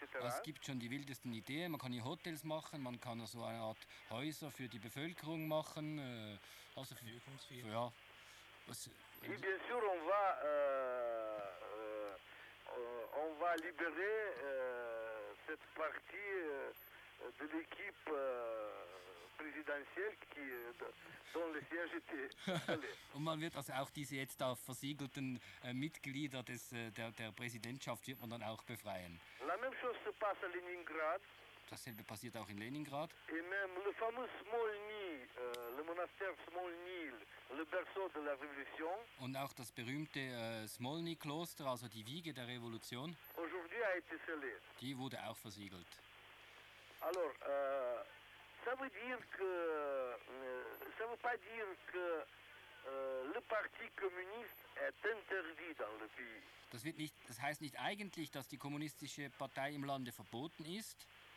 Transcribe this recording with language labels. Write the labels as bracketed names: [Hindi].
[German] Es gibt schon die wildesten Ideen. Man kann hier Hotels machen, man kann also eine Art Häuser für die Bevölkerung machen. Also für Übungsviertel. Ja. [French] Oui, bien sûr, on va libérer cette partie de l'équipe présidentielle qui dont le siège était. [German] Und man wird also auch diese jetzt da versiegelten Mitglieder des der Präsidentschaft wird man dann auch befreien. [French] La même chose se passe à Leningrad. [German] Dasselbe passiert auch in Leningrad. [French] Et même le fameux Smolny, le monastère Smolny, le berceau de la Révolution. [German] Und auch das berühmte Smolny-Kloster, also die Wiege der Revolution. [French] Aujourd'hui a été scellé. [German] Die wurde auch versiegelt. [French] Alors, ça veut pas dire que le Parti communiste est interdit dans le pays. [German] Das heißt nicht eigentlich, dass die kommunistische Partei im Lande verboten ist.